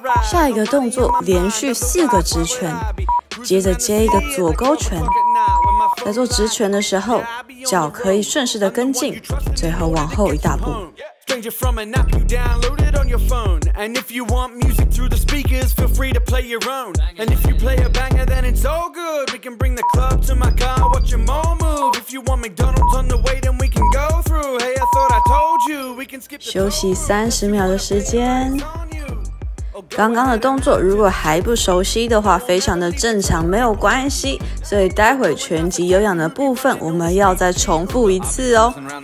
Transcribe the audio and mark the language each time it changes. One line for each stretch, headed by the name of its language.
Chinese: 下一个动作，连续四个直拳，接着接一个左勾拳。在做直拳的时候，脚可以顺势的跟进，最后往后一大步。
English: Stranger from an app you downloaded on your phone. And if you want music through the speakers, feel free to play your own. And if you play a banger, then it's all good. We can bring the club to my car, watch your mom move. If you want McDonald's on the way, then we can go through. Hey, I thought I told you we can skip.
Chinese: 休息三十秒的时间。刚刚的动作如果还不熟悉的话，非常的正常，没有关系。所以待会拳击有氧的部分，我们要再重复一次哦。